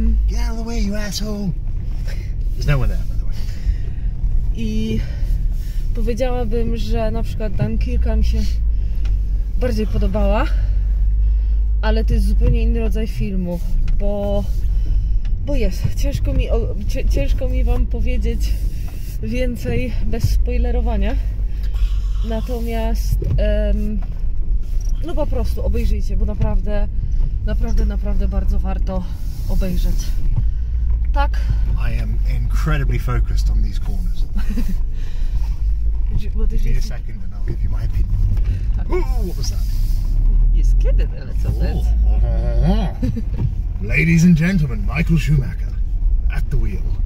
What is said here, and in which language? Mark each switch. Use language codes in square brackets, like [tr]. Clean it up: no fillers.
[en] Get out of the way, you asshole! There's no one there, by the way. [pl] I powiedziałabym, że na przykład Dunkirka mi się bardziej podobała, ale to jest zupełnie inny rodzaj filmu, bo jest. Ciężko mi wam powiedzieć więcej bez spoilerowania. Natomiast no po prostu obejrzyjcie, bo naprawdę, naprawdę, naprawdę bardzo warto obejrzeć. Tak? [en] I am incredibly focused on these corners. Give me a second and I'll give you my opinion. Tak. Ooh, what was that? You're scared of it, let's have that. Ladies and gentlemen, Michael Schumacher at the wheel.